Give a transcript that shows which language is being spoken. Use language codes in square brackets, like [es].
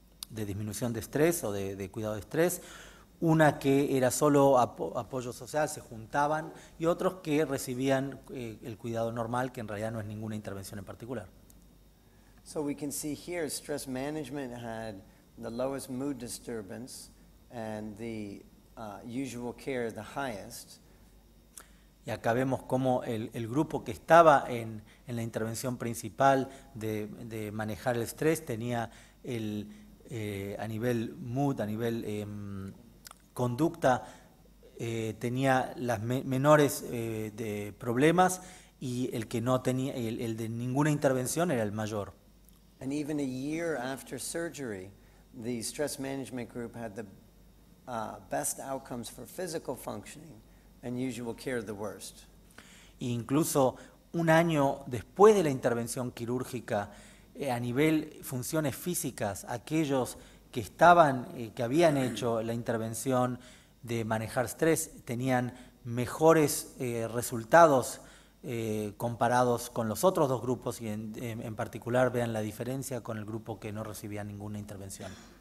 [es] disminución de estrés o de cuidado de estrés, una que era solo apoyo social, se juntaban, y otros que recibían el cuidado normal, que en realidad no es ninguna intervención en particular. [en] So we can see here stress management had the lowest mood disturbance and the usual care the highest. [es] Y acá vemos cómo el grupo que estaba en la intervención principal de manejar el estrés tenía a nivel mood, a nivel conducta, tenía las menores de problemas, y el que no tenía el de ninguna intervención era el mayor. [en] And even a year after surgery, the stress management group had the best outcomes for physical functioning and usual care the worst. [es] Incluso un año después de la intervención quirúrgica, a nivel funciones físicas, aquellos que estaban, que habían hecho la intervención de manejar estrés, tenían mejores resultados comparados con los otros dos grupos, y en particular vean la diferencia con el grupo que no recibía ninguna intervención.